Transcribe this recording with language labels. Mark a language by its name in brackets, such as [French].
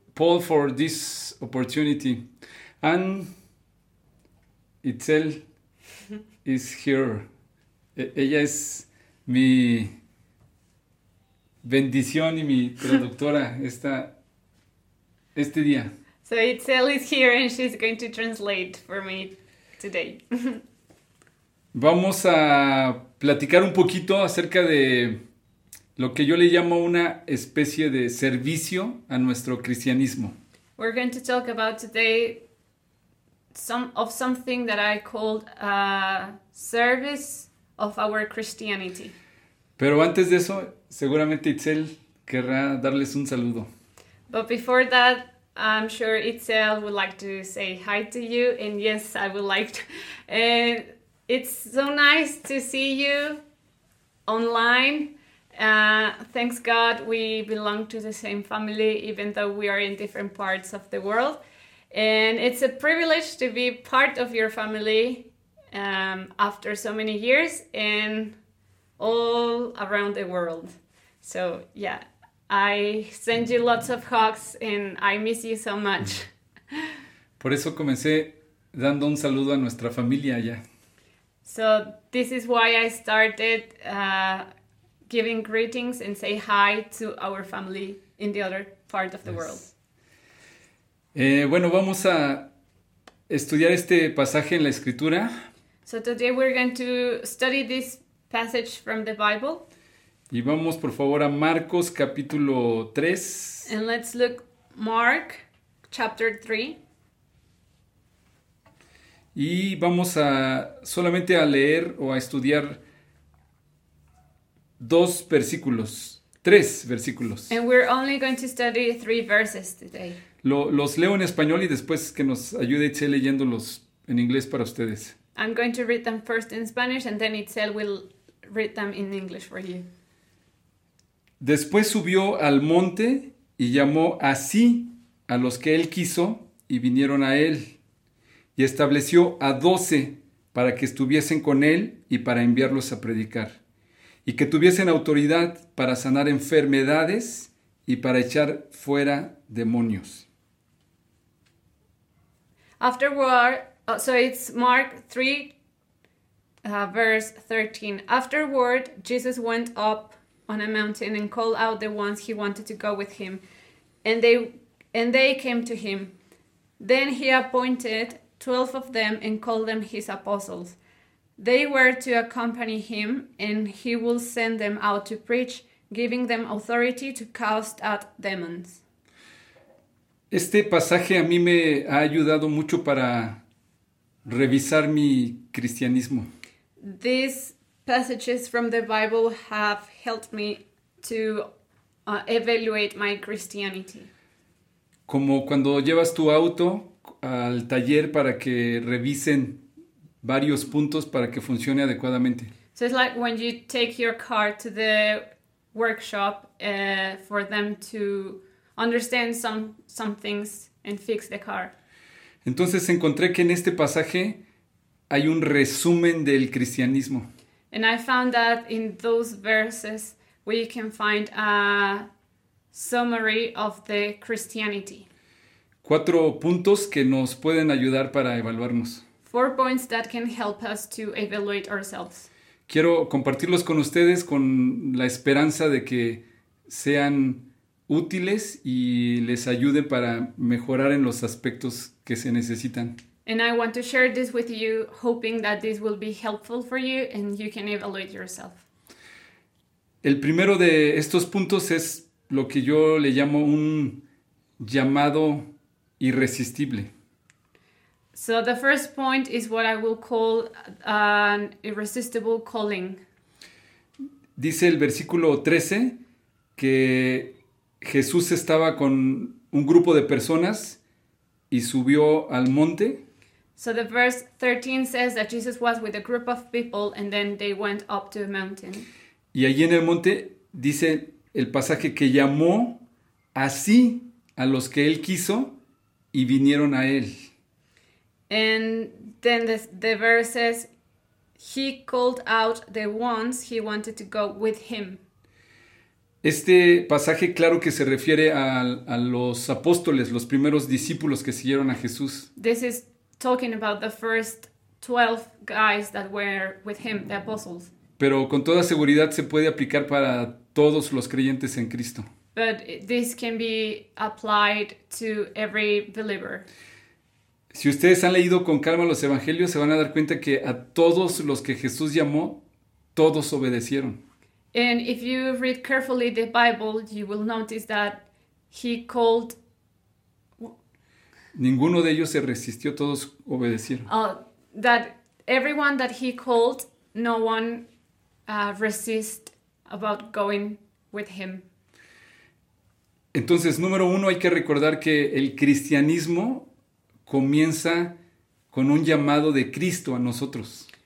[English] Paul, for this opportunity, and Itzel is here. [Spanish] Ella es mi bendición y mi traductora este día. [English] So Itzel is here and she's going to translate for me today. [Spanish] Vamos a platicar un poquito acerca de lo que yo le llamo una especie de servicio a nuestro cristianismo. [English] We're going to talk about today some of something that I called a service of our Christianity. [Spanish] Pero antes de eso, seguramente Itzel querrá darles un saludo. [English] But before that, I'm sure Itzel would like to say hi to you. And yes, I would like to. It's so nice to see you online. Thanks God we belong to the same family, even though we are in different parts of the world. And it's a privilege to be part of your family after so many years and all around the world. So yeah, I send you lots of hugs and I miss you so much. [Spanish] Por eso comencé dando un saludo a nuestra familia allá. [English] So this is why I started giving greetings and say hi to our family in the other part of the world. [Spanish] Bueno, vamos a estudiar este pasaje en la escritura. [English] So today we're going to study this passage from the Bible. [Spanish] Y vamos, por favor, a Marcos capítulo 3. [English] And let's look Mark chapter 3. [Spanish] Y vamos a solamente a leer o a estudiar dos versículos, tres versículos. [English] And we're only going to study three verses today. [Spanish] Los leo en español y después que nos ayude Itzel leyéndolos en inglés para ustedes. [English] I'm going to read them first in Spanish and then Itzel will read them in English for you. [Spanish] Después subió al monte y llamó así a los que él quiso y vinieron a él. Y estableció a 12 para que estuviesen con él y para enviarlos a predicar. Y que tuviesen autoridad para sanar enfermedades y para echar fuera demonios. [English] Afterward, so it's Mark 3, verse 13. Afterward, Jesus went up on a mountain and called out the ones he wanted to go with him. And they came to him. Then he appointed 12 of them and called them his apostles. They were to accompany him, and he will send them out to preach, giving them authority to cast out demons. [Spanish] Este pasaje a mí me ha ayudado mucho para revisar mi cristianismo. [English] These passages from the Bible have helped me to evaluate my Christianity. [Spanish] Como cuando llevas tu auto al taller para que revisen varios puntos para que funcione adecuadamente. [English] So it's like when you take your car to the workshop for them to understand some things and fix the car. [Spanish] Entonces encontré que en este pasaje hay un resumen del cristianismo. [English] And I found that in those verses we can find a summary of the Christianity. [Spanish] Cuatro puntos que nos pueden ayudar para evaluarnos. [English] Four points that can help us to evaluate ourselves. [Spanish] Quiero compartirlos con ustedes con la esperanza de que sean útiles y les ayude para mejorar en los aspectos que se necesitan. [English] And I want to share this with you, hoping that this will be helpful for you and you can evaluate yourself. [Spanish] El primero de estos puntos es lo que yo le llamo un llamado irresistible. [English] So the first point is what I will call an irresistible calling. [Spanish] Dice el versículo 13 que Jesús estaba con un grupo de personas y subió al monte. [English] So the verse 13 says that Jesus was with a group of people and then they went up to a mountain. [Spanish] Y allí en el monte dice el pasaje que llamó así a los que él quiso y vinieron a él. [English] And then the verse says, he called out the ones he wanted to go with him. [Spanish] Este pasaje claro que se refiere a los apóstoles, los primeros discípulos que siguieron a Jesús. [English] This is talking about the first 12 guys that were with him, the apostles. [Spanish] Pero con toda seguridad se puede aplicar para todos los creyentes en Cristo. [English] But this can be applied to every believer. [Spanish] Si ustedes han leído con calma los evangelios, se van a dar cuenta que a todos los que Jesús llamó, todos obedecieron. [English] And if you read carefully the Bible, you will notice that he called... [Spanish] Ninguno de ellos se resistió, todos obedecieron. [English] That everyone that he called, no one resist about going with him. [Spanish] Entonces, número uno, hay que recordar que el cristianismo comienza con un llamado de Cristo a nosotros.